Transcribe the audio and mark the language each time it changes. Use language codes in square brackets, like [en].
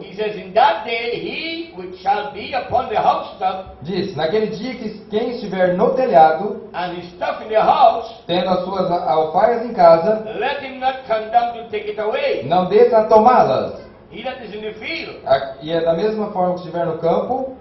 [en] he says, in that day he which shall be upon the housetop, [pt] diz, naquele dia que quem estiver no telhado, [en] and his stuff in the house, [pt] tendo as suas alfaias em casa, [en] let him not come down to take it away. [pt] Não deixe a tomá-las. [en] He that is in the field, [pt] e é da mesma forma que estiver no campo,